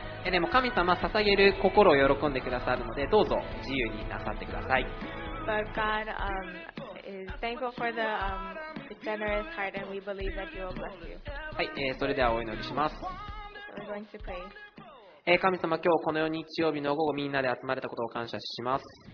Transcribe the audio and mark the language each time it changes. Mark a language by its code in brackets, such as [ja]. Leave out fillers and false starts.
[ja] でも神様捧げる心を喜んでくださるのでどうぞ自由になさってください。 [en] But God is thankful for the generous heart and we believe that he will bless you. [ja] はい、それではお祈りします。 [en] We're going to pray. [ja] 神様、今日このように日曜日の午後みんなで集まれたことを感謝します。